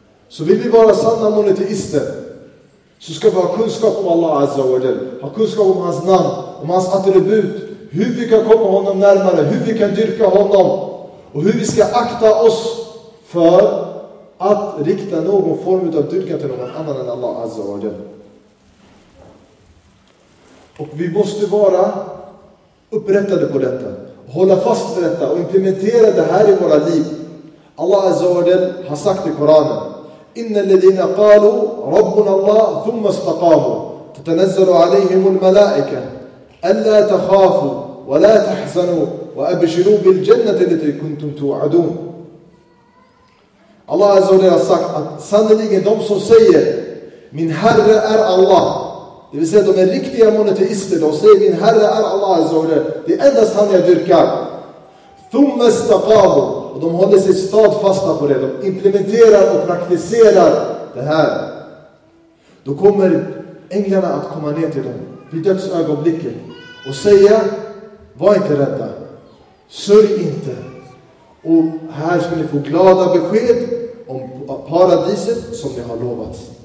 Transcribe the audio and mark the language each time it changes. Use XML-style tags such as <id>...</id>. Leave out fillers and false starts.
<sv>Så vill vi vara sanna monoteister, så ska vi ha kunskap om Allah azza wa jall, ha kunskap om hans namn, om hans attribut, hur vi kan komma honom närmare, hur vi kan dyrka honom och hur vi ska akta oss för att rikta någon form av dyrkan till någon annan än Allah azza wa jall. Och vi måste vara upprättade på detta, hålla fast vid detta och implementera det här i våra liv.</sv> <ar>Allah azza wa jall</ar> <sv>har sagt i Koranen,</sv> <ar>إِنَّ الَّذِينَ قَالُوا رَبُّنَ اللَّهُ ثُمَّ اسْتَقَامُوا تَتَنَزَّلُ عَلَيْهِمُ الْمَلَائِكَةُ أَلَّا تَخَافُوا وَلَا تَحْزَنُوا وَأَبْشِرُوا بِالْجَنَّةِ الَّتِي كُنْتُمْ تُوعَدُونَ.</ar> <sv>Allah azza wa jalla har sagt att sannoliken de som säger min herre är Allah, det vill säga de är riktiga monoteister, de säger min herre är Allah azza wa jalla, det är endast han jag dyrkar.</sv> <ar>ثُمَّ اسْتَقَامُوا,</ar> <sv>och de håller sig stadfasta på det, de implementerar och praktiserar det här, då kommer änglarna att komma ner till dem vid dödsögonblicket och säga, var inte rädda, sörj inte, och här ska ni få glada besked om paradiset som ni har lovat.</sv>